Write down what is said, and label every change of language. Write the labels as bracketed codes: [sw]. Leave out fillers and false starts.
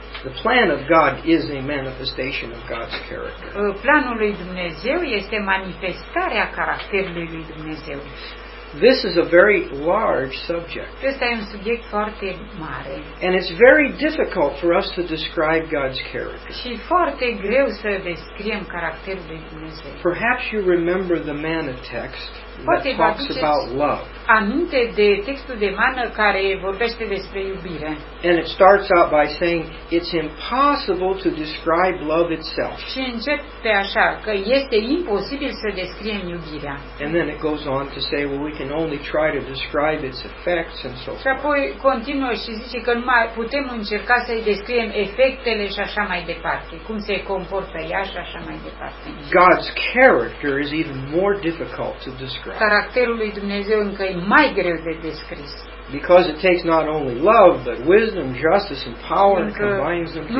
[en] The plan of God is a manifestation of God's character. [ro] Planul lui Dumnezeu este manifestarea caracterului lui Dumnezeu. [en] This is a very large subject. [ro] Acesta e un subiect foarte mare. [en] And it's very difficult for us to describe God's character. [ro] Și foarte greu să descriem caracterul lui Dumnezeu. [en] Perhaps you remember the manna text that talks about love. [ro] Aminte de textul de mană care vorbește despre iubire. [en] And it starts out by saying it's impossible to describe love itself. [ro] Și începe așa că este imposibil să descriem iubirea. [en] And then it goes on to say, well, we can only try to describe its effects and so forth. [ro] Și apoi continuă și zice că numai putem încerca să îi descriem efectele și așa mai departe, cum se comportă ea și așa mai departe. [en] God's character is even more difficult to describe. [ro] Caracterul lui Dumnezeu încă e mai greu de descris. [en] Because it takes not only love, but wisdom, justice, and power, and combines them together.